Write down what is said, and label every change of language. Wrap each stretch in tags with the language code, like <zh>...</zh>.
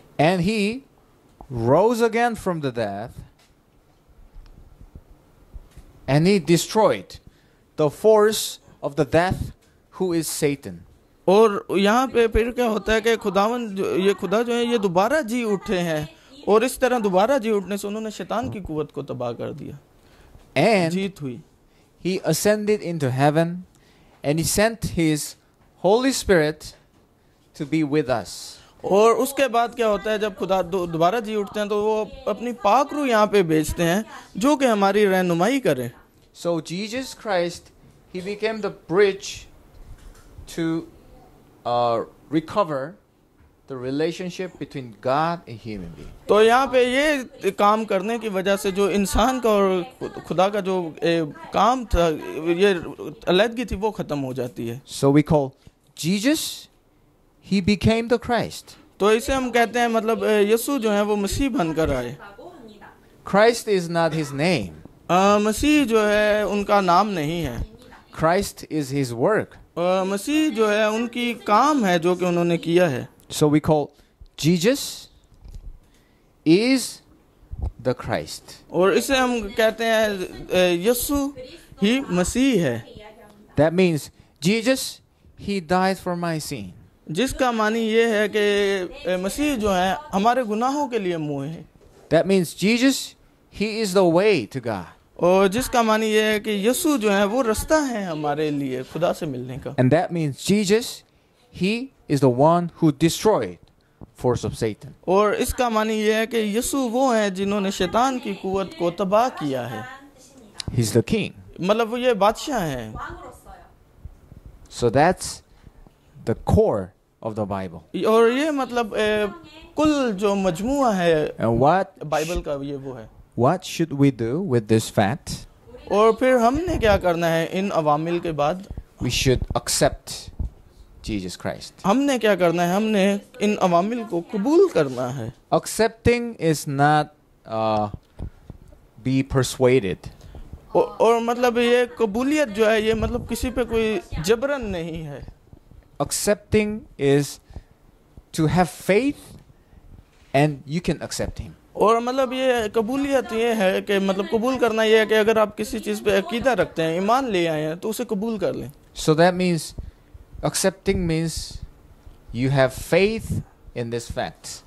<en>And he rose again from the death and he destroyed the force of the death who is Satan.</en> <ur>اور یہاں پہ پھر کیا ہوتا ہے کہ خدا جو ہیں یہ دوبارہ جی اٹھے ہیں اور اس طرح دوبارہ جی اٹھنے سے انہوں نے شیطان کی قوت کو تباہ کر دیا.</ur> <en>And</en> <ur>جیت ہوئی.</ur> <en>He ascended into heaven and he sent his Holy Spirit to be with us.</en> <ur>اور اس کے بعد کیا ہوتا ہے جب خدا دوبارہ جی اٹھتے ہیں تو وہ اپنی پاک روح یہاں پہ بھیجتے ہیں جو کہ ہماری رہنمائی کرے.</ur> <en>So Jesus Christ, he became the bridge to recover the relationship between God and human being.</en> <ur>تو یہاں پہ یہ کام کرنے کی وجہ سے جو انسان کا اور خدا کا جو کام تھا یہ علیحدگی تھی وہ ختم ہو جاتی ہے.</ur> <en>So we call Jesus, he became the Christ.</en> <ur>تو اسے ہم کہتے ہیں مطلب یسوع جو ہیں وہ مسیح بن کر آئے.</ur> <en>Christ is not his name.</en> <ur>مسیح جو ہے ان کا نام نہیں ہے.</ur> <en>Christ is his work.</en> <ur>مسیح جو ہے ان کی کام ہے جو کہ انہوں نے کیا ہے.</ur> <en>So we call Jesus is the Christ.</en> <ur>اور اسے ہم کہتے ہیں یسوع ہی مسیح ہے.</ur> <en>That means Jesus, he died for my sin.</en> <ur>جس کا معنی یہ ہے کہ مسیح جو ہے ہمارے گناہوں کے لیے موئے ہیں.</ur> <en>That means Jesus, he is the way to God.</en> <ur>اور جس کا معنی یہ ہے کہ یسوع جو ہے وہ راستہ ہے ہمارے لیے خدا سے ملنے کا.</ur> <en>And that means Jesus, he is the one who destroyed force of Satan.</en> <ur>اور اس کا معنی یہ ہے کہ یسوع وہ ہے جنہوں نے شیطان کی قوت کو تباہ کیا ہے.</ur> <en>He's the king.</en> <ur>مطلب وہ یہ بادشاہ ہے.</ur> <en>So that's the core of the Bible.</en> <ur>اور یہ مطلب کل جو مجموعہ ہے بائبل کا یہ وہ ہے.</ur> <en>What should we do with this fact?</en> <ur>اور پھر ہم نے کیا کرنا ہے ان عوامل کے بعد؟</ur> <en>We should accept Jesus Christ.</en> <ur>ہم نے کیا کرنا ہے؟ ہم نے ان عوامل کو قبول کرنا ہے.</ur> <en>Accepting is not be persuaded.</en> <ur>اور مطلب یہ قبولیت جو ہے یہ مطلب کسی پہ کوئی جبرن نہیں ہے.</ur> <en>Accepting is to have faith and you can accept him.</en> <ur>اور مطلب یہ قبولیت یہ ہے کہ مطلب قبول کرنا یہ ہے کہ اگر آپ کسی چیز پہ عقیدہ رکھتے ہیں ایمان لے آئے ہیں تو اسے قبول کر لیں.</ur> <en>So that means accepting means you have faith in this fact.</en>